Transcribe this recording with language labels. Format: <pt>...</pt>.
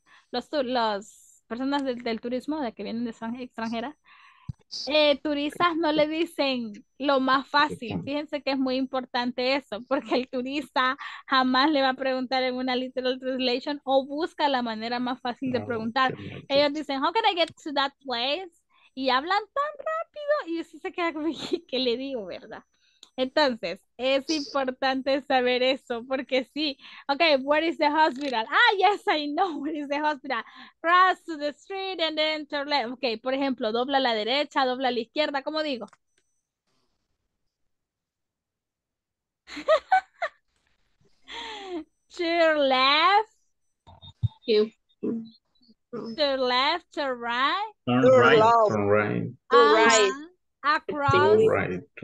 <es>Los turistas, los personas del turismo, de que vienen de extranjeras, turistas no le dicen lo más fácil. Fíjense que es muy importante eso, porque el turista jamás le va a preguntar en una</es> <en>literal translation</en> <es>o busca la manera más fácil de preguntar. Ellos dicen,</es> <en>how can I get to that place?</en> <es>Y hablan tan rápido y usted se queda como, ¿qué le digo, verdad? Entonces, es importante saber eso, porque sí.</es> <en>Okay, where is the hospital? Ah, yes, I know where is the hospital. Cross to the street and then turn left.</en> <es>Okay, por ejemplo, dobla a la derecha, dobla a la izquierda, ¿cómo digo?</es> <en>Turn left. Turn left, turn right. Turn right.</en>